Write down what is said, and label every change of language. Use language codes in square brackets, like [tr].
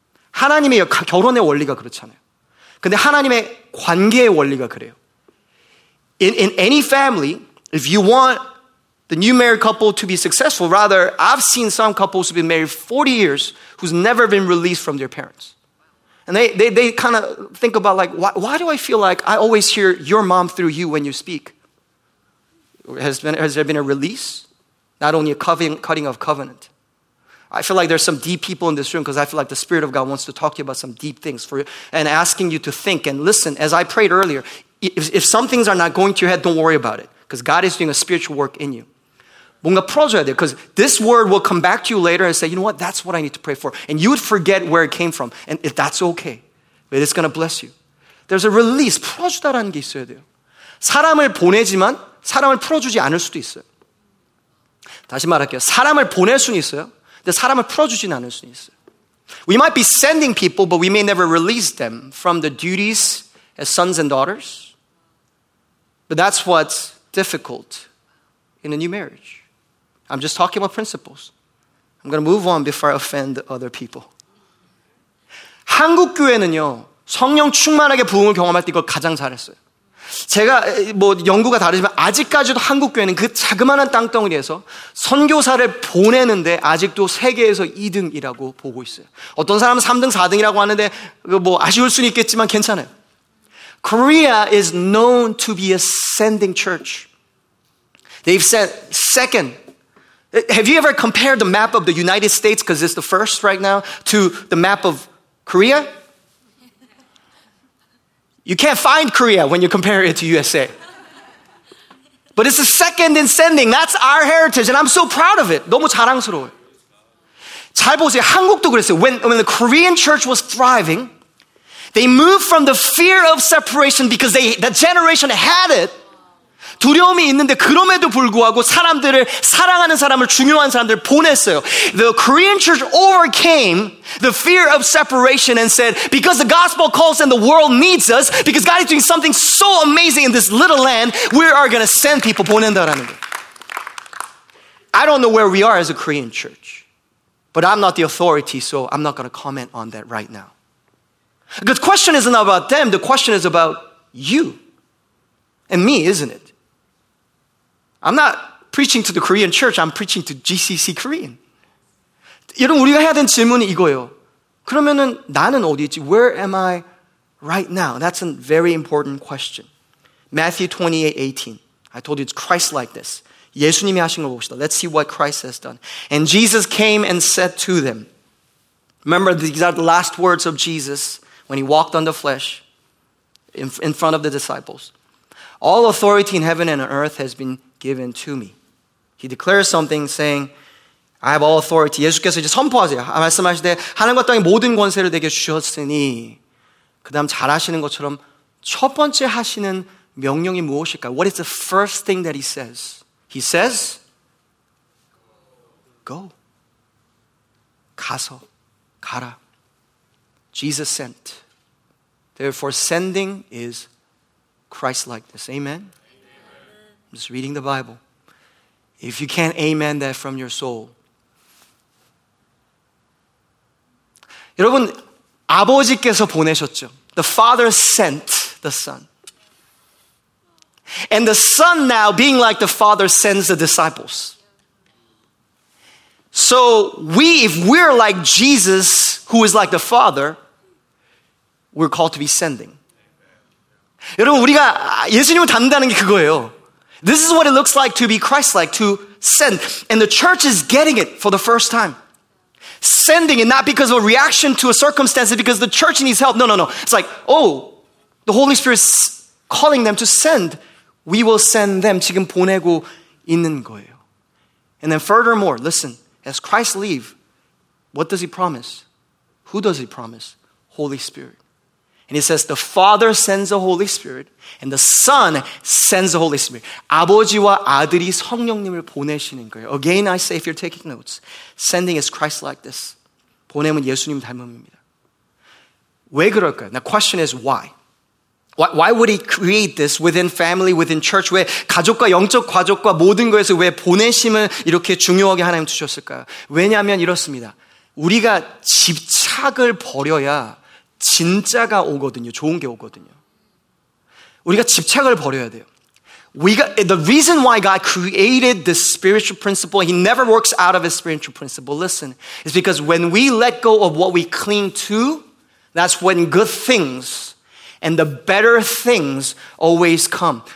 [ko] 하나님의 결혼의 원리가 그렇잖아요. 근데 하나님의 관계의 원리가 그래요. [en] In any family, if you want the new married couple to be successful, rather, I've seen some couples who've been married 40 years who's never been released from their parents. And they kind of think about like, why do I feel like I always hear your mom through you when you speak? Has there been a release? Not only a cutting of covenant. I feel like there's some deep people in this room because I feel like the Spirit of God wants to talk to you about some deep things for you and asking you to think and listen. As I prayed earlier, if some things are not going to your head, don't worry about it because God is doing a spiritual work in you. [ko] 뭔가 풀어줘야 돼요. [en] Because this word will come back to you later and say, you know what, that's what I need to pray for. And you would forget where it came from. And if that's okay. But it's going to bless you. There's a release. [ko] 풀어주다라는 게 있어야 돼요. 사람을 보내지만 사람을 풀어주지 않을 수도 있어요. 다시 말할게요. 사람을 보낼 수는 있어요. 근데 사람을 풀어주지는 않을 수는 있어요. [en] We might be sending people, but we may never release them from the duties as sons and daughters. But that's what's difficult in a new marriage. I'm just talking about principles. I'm going to move on before I offend other people. [ko] 한국 교회는요, 성령 충만하게 부흥을 경험할 때 이걸 가장 잘했어요. 제가 뭐 연구가 다르지만 아직까지도 한국 교회는 그 자그마한 땅덩어리에서 선교사를 보내는데 아직도 세계에서 2등이라고 보고 있어요. 어떤 사람은 3등, 4등이라고 하는데 뭐 아쉬울 수는 있겠지만 괜찮아요. [en] Korea is known to be a sending church. They've sent second. Have you ever compared the map of the United States, because it's the first right now, to the map of Korea? You can't find Korea when you compare it to USA. But it's the second in sending. That's our heritage, and I'm so proud of it. [ko] 너무 자랑스러워요. 잘 보세요. 한국도 그랬어요. [en] When the Korean church was thriving, they moved from the fear of separation because that generation had it. [ko] 두려움이 있는데 그럼에도 불구하고 사람들을 사랑하는 사람을 중요한 사람들을 보냈어요. [en] The Korean church overcame the fear of separation and said, because the gospel calls and the world needs us, because God is doing something so amazing in this little land, we are going to send people. [ko] 보낸다라는 거. [en] I don't know where we are as a Korean church, but I'm not the authority, so I'm not going to comment on that right now. The question is not about them. The question is about you and me, isn't it? I'm not preaching to the Korean church. I'm preaching to GCC Korean. [ko] 여러분, 우리가 해야 되는 질문이 이거예요. 그러면은 나는 어디 있지? [en] Where am I right now? That's a very important question. Matthew 28:18. I told you it's Christlikeness. [ko] 예수님이 하신 걸 봅시다. [en] Let's see what Christ has done. And Jesus came and said to them. Remember, these are the last words of Jesus when he walked on the flesh in front of the disciples. All authority in heaven and on earth has been given to me. He declares something saying, I have all authority. [ko] 예수께서 이제 선포하세요. 말씀하실 때 하늘과 땅의 모든 권세를 내게 주셨으니 그 다음 잘하시는 것처럼 첫 번째 하시는 명령이 무엇일까? [en] What is the first thing that he says? He says, go. [ko] 가서, 가라. [en] Jesus sent. Therefore, sending is Christ-likeness. Amen? I'm just reading the Bible. If you can't amen that from your soul. [ko] 여러분, 아버지께서 보내셨죠? [en] The Father sent the Son. And the Son now, being like the Father, sends the disciples. So we, if we're like Jesus, who is like the Father, we're called to be sending. [ko] 여러분, 우리가 예수님을 닮는다는 게 그거예요. [en] This is what it looks like to be Christ-like, to send. And the church is getting it for the first time. Sending, and not because of a reaction to a circumstance, it's because the church needs help. No, no, no. It's like, oh, the Holy Spirit's calling them to send. We will send them. [ko] 지금 보내고 있는 거예요. [en] And then furthermore, listen, as Christ leaves, what does he promise? Who does he promise? Holy Spirit. And he says, the Father sends the Holy Spirit, and the Son sends the Holy Spirit. [ko] 아버지와 아들이 성령님을 보내시는 거예요. [en] Again, I say, if you're taking notes, sending is Christ-likeness. [ko] 보내면 예수님 닮음입니다. 왜 그럴까요? [en] The question is, why? Why would he create this within family, within church? [ko] 왜 가족과 영적 가족과 모든 거에서 왜 보내심을 이렇게 중요하게 하나님 두셨을까요? 왜냐하면 이렇습니다. 우리가 집착을 버려야 진짜가 오거든요. 좋은 게 오거든요. 우리가 집착을 버려야 돼요. [en] The reason why God created this spiritual principle, he never works out of his spiritual principle. Listen, it's because when we let go of what we cling to, that's when good things and the better things always come.